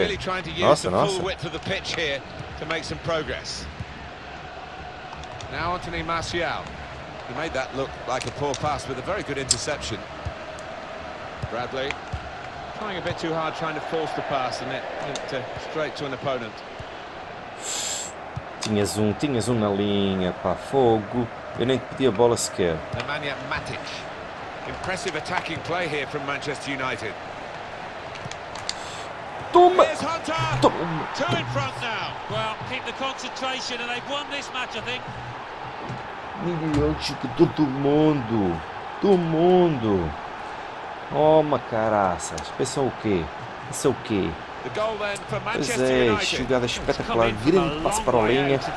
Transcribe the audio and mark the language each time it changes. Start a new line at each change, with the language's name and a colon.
English: Really trying to use the full width of the pitch here to make some progress. Now Anthony Martial. He made that look like a poor pass with a very good interception. Bradley. trying a bit too hard, trying to force the pass, and it went straight to an opponent.
Portuguese: Tinhas um na linha, pá, fogo. Eu nem pedi a bola sequer.
English: Nemanja Matic. Impressive attacking play here from Manchester United. Toma! Two in front now. Well, keep the concentration and they've won this match, I think.
Portuguese: Melhor do que todo mundo. Do mundo. Toma, caraça. Pensam o quê? Pensam o quê? Pois é, chegada espetacular, grande passo para a linha.